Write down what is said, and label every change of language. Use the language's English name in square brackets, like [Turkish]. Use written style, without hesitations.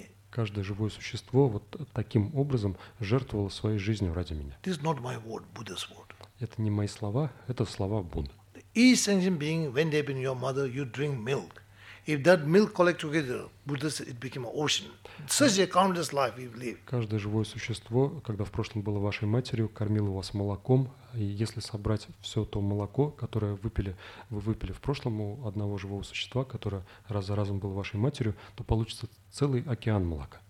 [Russian] Каждое живое существо вот таким образом жертвовало своей жизнью ради меня. [English] This is not my word, Buddha's word. [Russian] Это не мои слова, это слова Будды. [English] Each sentient being, when they've been your mother, you drink milk. If that milk collect together, Buddha said it became an ocean. Such a countless life we live. [Russian] Каждое живое существо, когда в прошлом было вашей матерью, кормило вас молоком, и если собрать все то молоко, которое вы выпили в прошлом у одного живого существа, которое раз за разом было вашей матерью, то получится целый океан молока.